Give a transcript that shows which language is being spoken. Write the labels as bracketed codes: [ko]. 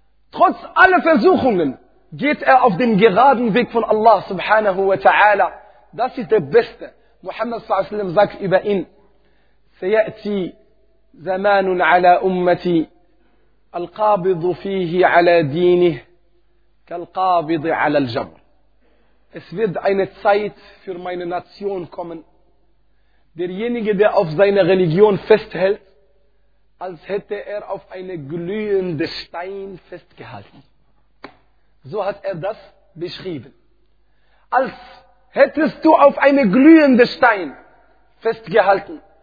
[de] Trotz aller Versuchungen geht er auf dem geraden Weg von Allah Subhanahu wa Ta'ala. Das ist der Beste. Muhammad Sallallahu Alaihi Wasallam sagt über ihn: [ar] سيأتي زمان على أمتي القابض فيه على دينه كالقابض على الجبر. [de] Es wird eine Zeit für meine Nation kommen. Derjenige, der auf seine Religion festhält, als hätte er auf eine glühende Stein festgehalten. So hat er das beschrieben. Als hättest du auf eine glühende Stein festgehalten.